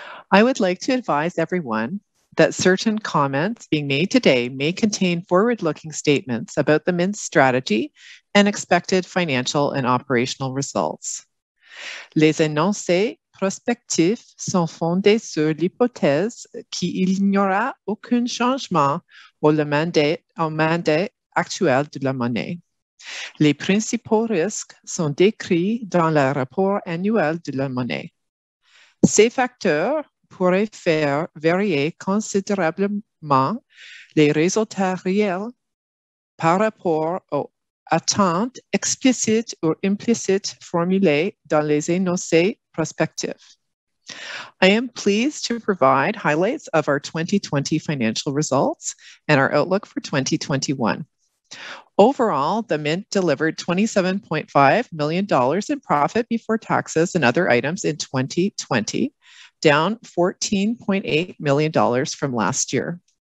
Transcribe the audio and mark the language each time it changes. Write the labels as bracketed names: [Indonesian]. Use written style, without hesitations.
[English] I would like to advise everyone that certain comments being made today may contain forward-looking statements about the Mint's strategy and expected financial and operational results. [French] Les énoncés prospectifs sont fondés sur l'hypothèse qu'il n'y aura aucun changement au mandat actuel de la monnaie. Les principaux risques sont décrits dans le rapport annuel de la monnaie. Ces facteurs pourraient faire varier considérablement les résultats réels par rapport aux attentes explicites ou implicites formulées dans les énoncés prospectifs. [English] I am pleased to provide highlights of our 2020 financial results and our outlook for 2021. Overall, the Mint delivered $27.5 million in profit before taxes and other items in 2020, down $14.8 million from last year.